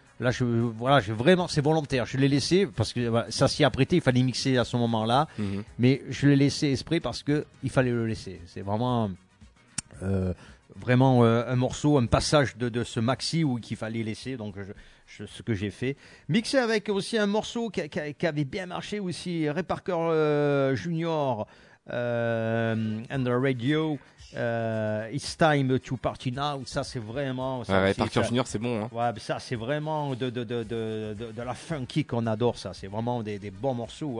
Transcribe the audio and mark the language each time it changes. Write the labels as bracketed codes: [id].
[fr] Là, c'est volontaire. Je l'ai laissé parce que ça s'y apprêtait. Il fallait mixer à ce moment-là. Mm-hmm. Mais je l'ai laissé exprès parce qu'il fallait le laisser. C'est vraiment, un morceau, un passage de ce maxi où qu'il fallait laisser. Donc, ce que j'ai fait. Mixé avec aussi un morceau qui avait bien marché aussi. Ray Parker Jr. [en] And the radio, it's time to party now. [fr] Ça, c'est vraiment. Ça, ouais, Parker Junior, c'est bon. Hein. Ouais, ça, c'est vraiment de la funky qu'on adore. Ça, c'est vraiment des bons morceaux.